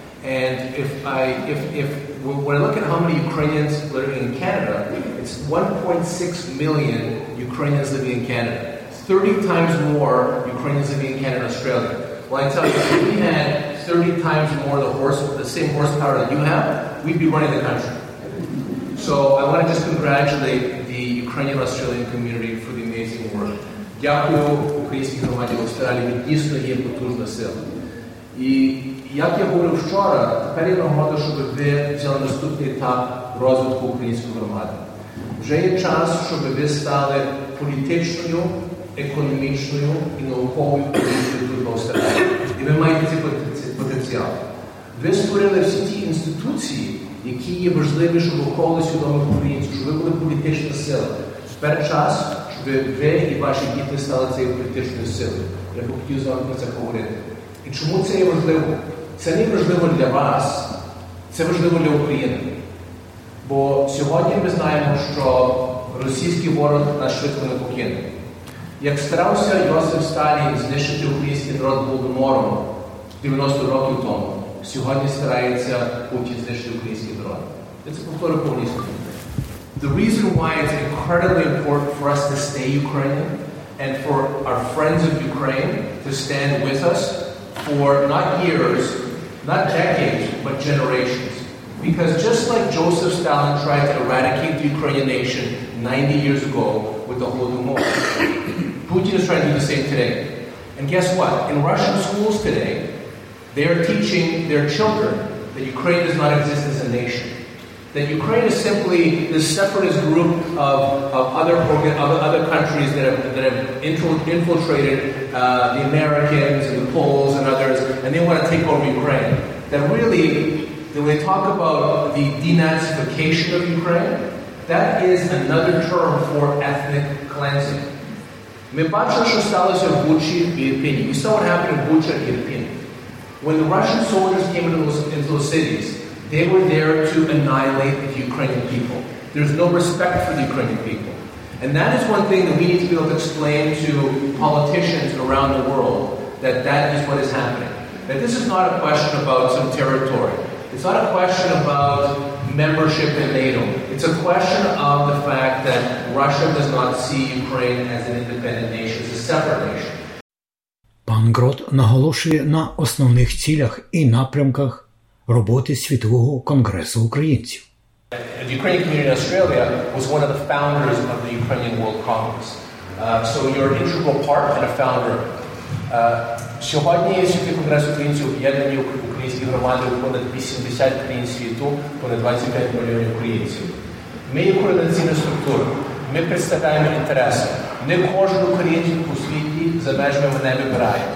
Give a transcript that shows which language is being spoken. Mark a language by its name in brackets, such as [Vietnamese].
[English] And when I look at how many Ukrainians living in Canada, it's 1.6 million Ukrainians living in Canada. 30 times more Ukrainians living in Canada and Australia. Well, I tell you, if we had 30 times more the same horsepower that you have, we'd be running the country. So I want to just congratulate the Ukrainian-Australian community for the amazing work. [Ukrainian] Дякую українській громаді в Австралії, він дійсно є потужна сила. І як я говорив вчора, тепер є нагода, щоб ви взяли наступний етап розвитку української громади. Вже є час, щоб ви стали політичною, економічною і науковою політичною тут в Австралії. І ви маєте цей потенціал. Ви створили всі ті інституції, які є важливі, щоб околи свідомих українців, щоб ви були політична сила. Тепер час, щоб ви і ваші діти стали цією політичною силою. Я би хотів з вами про це говорити. І чому це є важливо? Це не важливо для вас, це важливо для України. Бо сьогодні ми знаємо, що російський ворог нас швидко не покине. Як старався Йосиф Сталін знищити український народ Голодомором 90 років тому, сьогодні старається Путін знищити український народ. Я це повторюю повністю. [English] The reason why it's incredibly important for us to stay Ukrainian and for our friends of Ukraine to stand with us for not years, not decades, but generations. Because just like Joseph Stalin tried to eradicate the Ukrainian nation 90 years ago with the Holodomor, Putin is trying to do the same today. And guess what? In Russian schools today, they are teaching their children that Ukraine does not exist as a nation. that Ukraine is simply this separatist group of other countries that have infiltrated the Americans and the Poles and others, and they want to take over Ukraine. That really, when they talk about the denazification of Ukraine, that is another term for ethnic cleansing. [Ukrainian] Ми бачимо, що сталося в Бучі, в Ірпіні. [English] We saw what happened in Bucha, Ірпіні. When the Russian soldiers came into those cities, they were there to annihilate the Ukrainian people. There's no respect for the Ukrainian people. And that is one thing that we need to be able to explain to politicians around the world, that is what is happening. That this is not a question about some territory. It's not a question about membership in NATO. It's a question of the fact that Russia does not see Ukraine as an independent nation, as a separate nation. [Ukrainian] Пан Грот наголошує на основних цілях і напрямках роботи Світового Конгресу Українців. [English] The Ukrainian community in Australia was one of the founders of the Ukrainian World Congress. So you're an integral part and a founder. [Ukrainian] Сьогодні Світовий Конгрес Українців об'єднані українські громади у понад 80 країн світу, понад 25 мільйонів українців. Ми є координаційна структура. Ми представляємо інтереси. Не кожен українець у світі за межами мене вибирає.